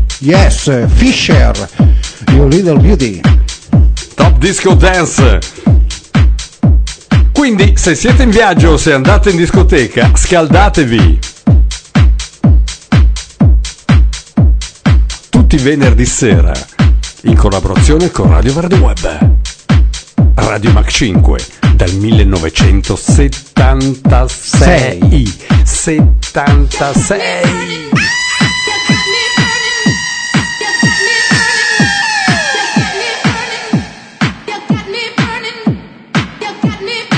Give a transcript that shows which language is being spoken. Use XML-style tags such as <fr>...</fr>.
<en>Yes, Fisher, Your Little Beauty. Top Disco Dance.</en> <it>Quindi, se siete in viaggio o se andate in discoteca, scaldatevi. Venerdì sera in collaborazione con Radio Verde Web, Radio Mach 5 dal 1976. 76.</it> <en>You got me burning up with you.</en>